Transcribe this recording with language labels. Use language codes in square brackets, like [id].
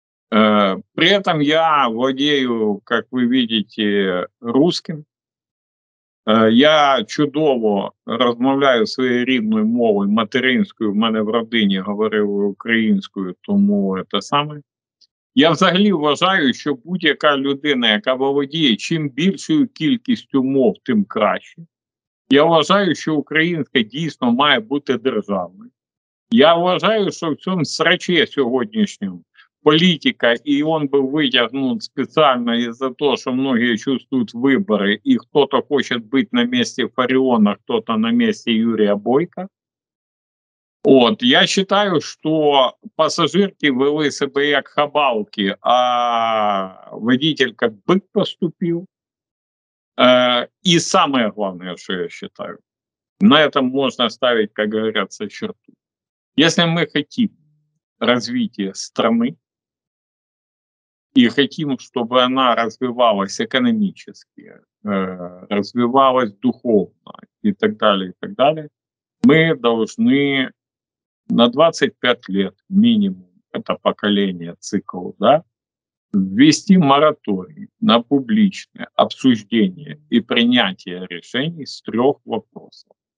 [ru] При этом я владею, как вы видите, русским. [uk] Я чудово розмовляю своєю рідною мовою, материнською, в мене в родині говорив українською, тому це саме. Я взагалі вважаю, що будь-яка людина, яка володіє чим більшою кількістю мов, тим краще. Я вважаю, що українська дійсно має бути державною. Я вважаю, що в цьому срачі сьогоднішньому політика, і він був витягнутий спеціально із-за того, що багато чувствують вибори, і хто-то хоче бути на місці Фаріона, хто-то на місці Юрія Бойка. От, я вважаю, що пасажирки вели себе як хабалки, а водитель як бик поступив. І саме головне, що я вважаю, на цьому можна ставити, як говорять, черту. Якщо ми хочемо розвитку країни, [ru] и хотим, чтобы она развивалась экономически, развивалась духовно и так далее, и так далее, мы должны на 25 лет минимум, это поколение, цикл, да, ввести мораторий на публичное обсуждение и принятие решений с трех вопросов.